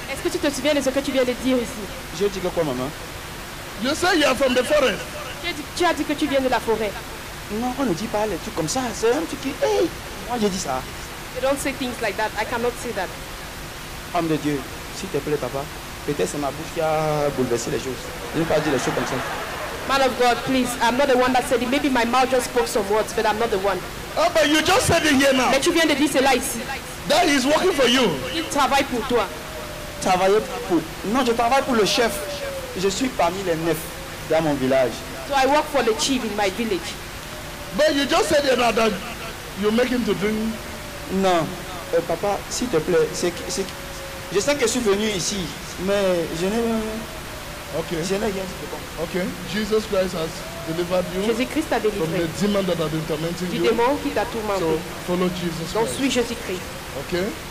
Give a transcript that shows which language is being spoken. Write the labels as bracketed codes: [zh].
[fr] Est-ce que tu te souviens de ce que tu viens de dire ici? Je dis que quoi, maman? [en] You say you are from the forest. [fr] Tu as dit que tu viens de la forêt. Non, on ne dit pas les trucs comme ça. C'est un truc qui. Hey, moi je dis ça. [en] You don't say things like that. I cannot say that. [fr] Homme de Dieu, s'il te plaît, papa. Peut-être c'est ma bouche qui a bouleversé les choses. Je ne vais pas dire les choses comme ça. [en] Man of God, please, I'm not the one that said it. Maybe my mouth just spoke some words, but I'm not the one. Oh, but you just said it here now. [fr] Mais tu viens de dire cela ici. [en] That is working for you. [fr] Il travaille pour toi. Travailler pour... Non, je travaille pour le chef. Je suis parmi les neuf dans mon village. [en] So I work for the chief in my village. But you just said it now that you make him to drink. [fr] Non. Papa, s'il te plaît, c'est... Je sais que je suis venu ici, mais je n'ai... [en] Okay. Okay. Jesus Christ has delivered you. [fr] Jésus-Christ a délivré. [en] From the demon that had been tormenting [fr] du [en] you. [fr] Du démon qui t'a tourmenté. [en] So follow Jesus [fr] Christ. Donc suis Jésus-Christ. [en] Okay.